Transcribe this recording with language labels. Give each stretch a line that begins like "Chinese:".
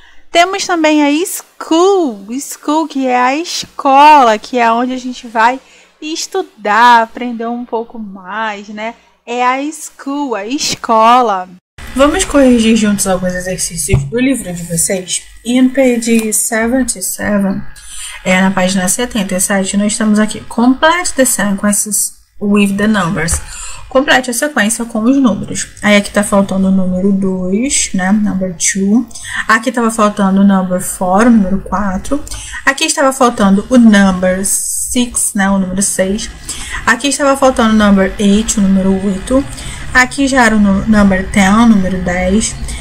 Portuguese: Temos também a school, que é a escola, que é onde a gente vai estudar, aprender um pouco mais, né? É a school, a escola. Vamos corrigir juntos alguns exercícios do livro de vocês?
English: In page 77,
Portuguese: na página 77, nós estamos aqui.
English: Complete the sequences with the numbers.
Portuguese: Complete a sequência com os números. Aí aqui tá faltando o número 2, né?
English: Number 2.
Portuguese: Aqui tava faltando o
English: number 4,
Portuguese: número 4. Aqui estava faltando o
English: number 6,
Portuguese: né? O número 6. Aqui estava faltando o
English: number 8,
Portuguese: o número 8. Aqui já era o
English: number 10,
Portuguese: o número 10.